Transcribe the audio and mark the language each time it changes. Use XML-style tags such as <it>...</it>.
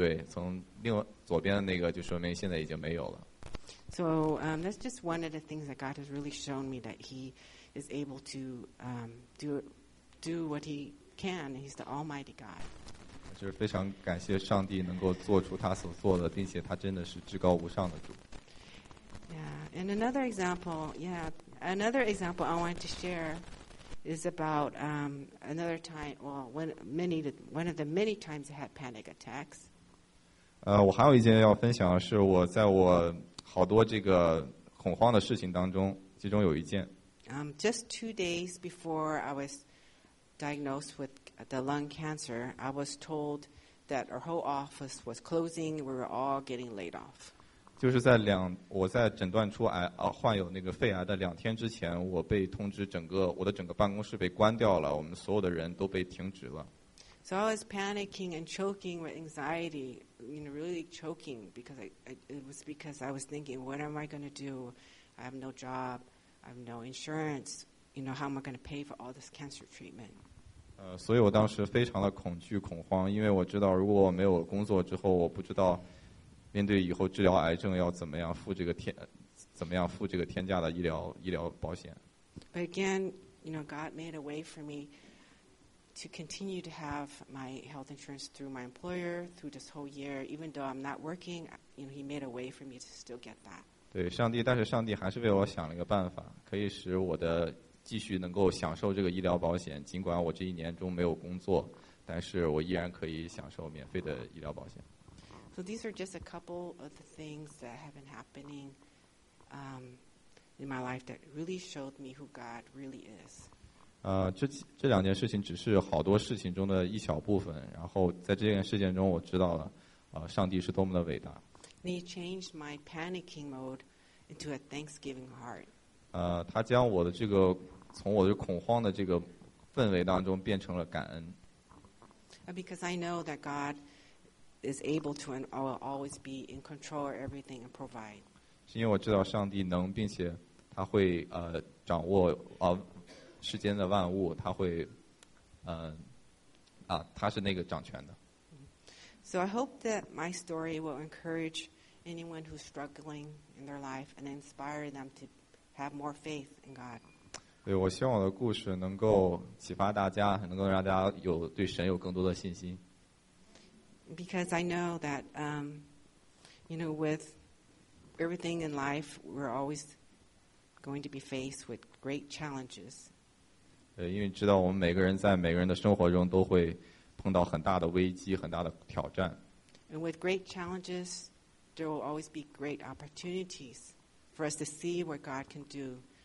<zh>从另外左边的那个就说明现在已经没有了。</zh> <en>So that's just one of the things that God has really shown me that He is able to do what he can. He's the Almighty God.</en> <zh>就是非常感谢上帝能够做出他所做的，并且他真的是至高无上的主。</zh> <en>Yeah, and another example I want to share is about another time. Well, one of the many times I had panic attacks.</en> <zh>我还有一件要分享的是我在我好多这个恐慌的事情当中，其中有一件。</zh> <en>Just 2 days before I was diagnosed with the lung cancer, I was told that our whole office was closing. We were all getting laid off.</en> <zh>就是在我在诊断出患有那个肺癌的两天之前，我被通知我的整个办公室被关掉了，我们所有的人都被停职了。</zh> <en>So I was panicking and choking with anxiety, you know, really choking because I was thinking, what am I going to do? I have no job. I have no insurance. You know, how am I going to pay for all this cancer treatment?</en> <zh>所以我当时非常的恐惧恐慌，因为我知道如果我没有工作之后，我不知道面对以后治疗癌症要怎么样付这个天价的医疗保险。</zh> <en>But again, you know, God made a way for me to continue to have my health insurance through my employer through this whole year, even though I'm not working. You know, He made a way for me to still get that.</en> <zh>对上帝，但是上帝还是为我想了一个办法，可以使我的继续能够享受这个医疗保险。尽管我这一年中没有工作，但是我依然可以享受免费的医疗保险。</zh> <en>So these are just a couple of the things that have been happening. in my life that really showed me who God really is.</en> <zh>这两件事情只是好多事情中的一小部分，然后在这件事件中我知道了，上帝是多么的伟大。</zh> <en>And he changed my panicking mode into a thanksgiving heart.</en> <zh>他将我的这个从我的恐慌的这个氛围当中变成了感恩。</zh> <en>Because I know that God is able to and will always be in control of everything and provide.</en> <zh>是因为我知道上帝能，并且他会掌握世间的万物，他会他是那个掌权的。</zh> <en>So I hope that my story will encourage anyone who's struggling in their life and inspire them to have more faith in God.</en> <zh>对，我希望我的故事能够启发大家，能够让大家有对神有更多的信心。</zh> <en>Because I know that, you know, with everything in life, we're always going to be faced with great challenges.</en> <zh>对，因为知道我们每个人在每个人的生活中都会碰到很大的危机，很大的挑战。</zh> <en>And with great challenges, there will always be great opportunities for us to see what God can do.</en>